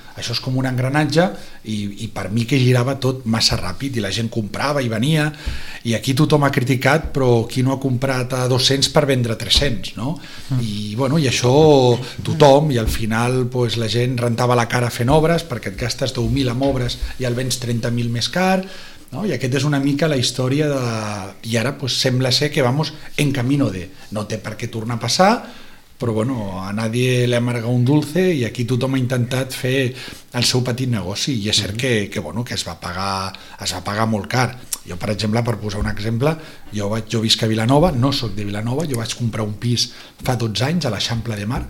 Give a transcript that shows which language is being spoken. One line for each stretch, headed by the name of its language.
Catalan: Això és com un engranatge, i per mi que girava tot massa ràpid, i la gent comprava i venia, i aquí tothom ha criticat, però qui no ha comprat a 200 per vendre 300, no? I bueno, i això tothom, i al final pues, la gent rentava la cara fent obres, perquè et gastes 10.000 en obres i el vens 30.000 més car, no? I aquest és una mica la història de... I ara pues, sembla ser que
Spanish: vamos en camino de...
Catalan: No té per què tornar a passar... però bueno,
Spanish: a nadie le amarga un dulce,
Catalan: i aquí tothom ha intentat fer el seu petit negoci, i és cert que bueno, que es va pagar molt car. Jo, per exemple, per posar un exemple, jo visc a Vilanova, no sóc de Vilanova, jo vaig comprar un pis fa 12 anys a l'Eixample de Mar,